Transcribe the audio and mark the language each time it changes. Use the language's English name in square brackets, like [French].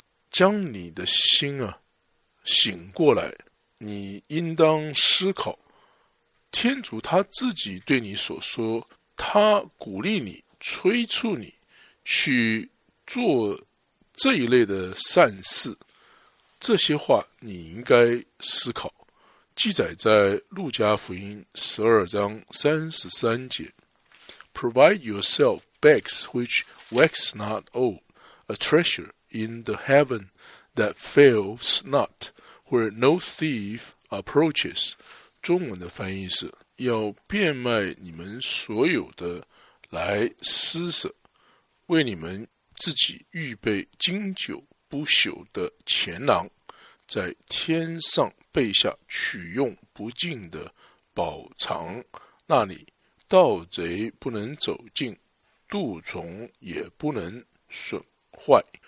[Chinese] 将你的心啊醒过来，你应当思考天主他自己对你所说，他鼓励你催促你去做这一类的善事，这些话你应该思考，记载在路加福音12章33节。 [English] Provide yourself bags which wax not old, a treasure in the heaven that fails not, where no thief approaches. [Chinese] 中文的翻译是，要变卖你们所有的来施舍，为你们自己预备经久不朽的钱囊，在天上备下取用不尽的宝藏，那里盗贼不能走进，蠹虫也不能损坏。